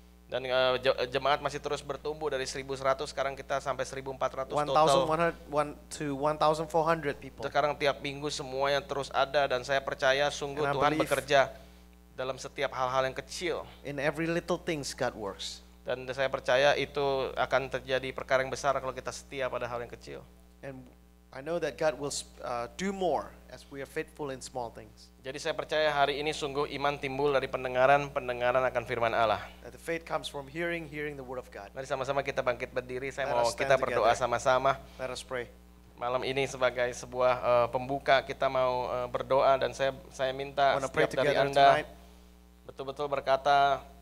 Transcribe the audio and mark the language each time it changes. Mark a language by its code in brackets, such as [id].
[id] Dan jemaat masih terus bertumbuh dari 1100 sekarang kita sampai 1400 total. [en] 1400 people. [id] Sekarang tiap minggu semuanya terus ada dan saya percaya sungguh Tuhan bekerja dalam setiap hal-hal yang kecil. [en] In every little things God works. [id] Dan saya percaya itu akan terjadi perkara yang besar kalau kita setia pada hal yang kecil. [en] And I know that God will do more as we are faithful in small things. [id] Jadi saya percaya hari ini sungguh iman timbul dari pendengaran, pendengaran akan firman Allah. [en] That the faith comes from hearing, hearing the word of God. [id] Mari sama-sama kita bangkit berdiri, saya mau kita berdoa together. Sama-sama. [en] Let us pray. [id] Malam ini sebagai sebuah pembuka kita mau berdoa dan saya minta setiap dari Anda tonight, betul-betul berkata